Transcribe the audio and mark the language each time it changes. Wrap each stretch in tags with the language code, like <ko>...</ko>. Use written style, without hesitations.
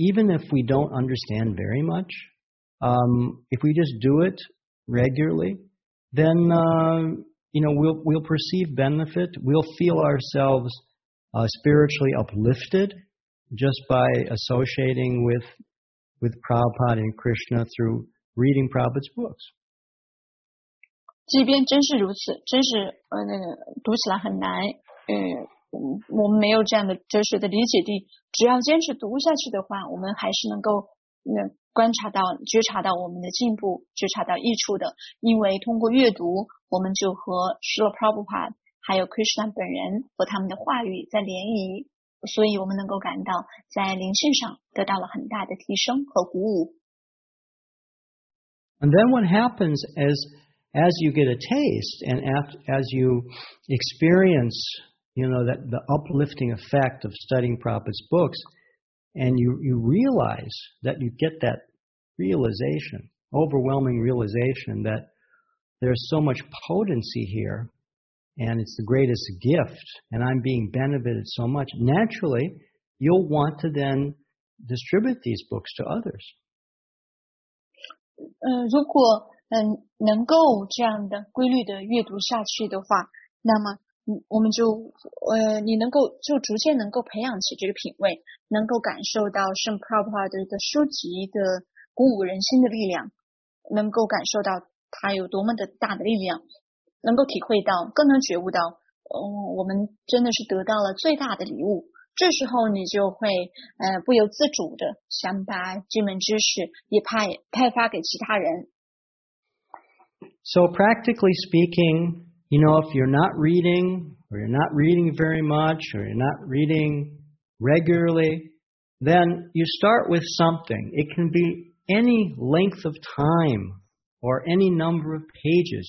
<en>Even if we don't understand very much, if we just do it regularly, then, you know, we'll perceive benefit. We'll feel ourselves spiritually uplifted just by associating with Prabhupada and Krishna through reading Prabhupada's books.</en> <zh>即便真是如此，真是读起来很难，我们没有这样的哲学的理解力。只要坚持读下去的话，我们还是能够观察到、觉察到我们的进步，觉察到益处的。因为通过阅读，我们就和Srila Prabhupada还有 Krishna 本人和他们的话语在联谊，所以我们能够感到在灵性上得到了很大的提升和鼓舞。</zh> <en>And then what happens is. As you get a taste, and as you experience, you know, that the uplifting effect of studying Prabhupada's books, and you realize that you get that realization, overwhelming realization that there's so much potency here, and it's the greatest gift, and I'm being benefited so much. Naturally, you'll want to then distribute these books to others.</en> <zh>如果能够这样的规律的阅读下去的话，那么我们就你能够就逐渐能够培养起这个品味，能够感受到圣普拉帕的一个书籍的鼓舞人心的力量，能够感受到它有多么的大的力量，能够体会到，更能觉悟到，我们真的是得到了最大的礼物。这时候你就会不由自主的想把这门知识也派发给其他人。</zh> <en>So practically speaking, you know, if you're not reading, or you're not reading very much, or you're not reading regularly, then you start with something. It can be any length of time, or any number of pages.</en>